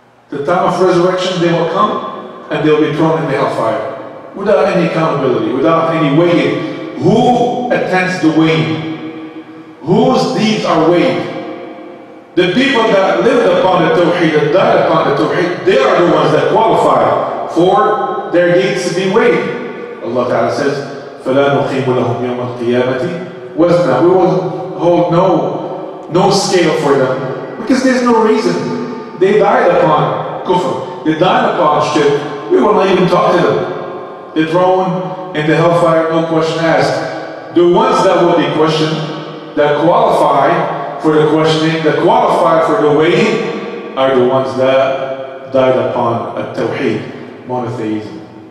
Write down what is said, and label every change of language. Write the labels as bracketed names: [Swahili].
[English] The time of resurrection, they will come and they will be thrown in the hellfire without any accountability, without any weighing. Who attends the weighing? Whose deeds are weighed? The people that lived upon the Tawheed and died upon the Tawheed, they are the ones that qualify for their deeds to be weighed. Allah Ta'ala says, [Arabic] فَلَا نُقِيمُ لَهُمْ يَوْمَ الْقِيَامَةِ وَزْنًا. [English] We will hold no scale for them, because there's no reason. They died upon kufr, they died upon shirk. We will not even talk to them. They're thrown in the hellfire, no question asked. The ones that will be questioned, that qualify for the questioning, that qualify for the weighing, are the ones that died upon a tawheed, monotheism.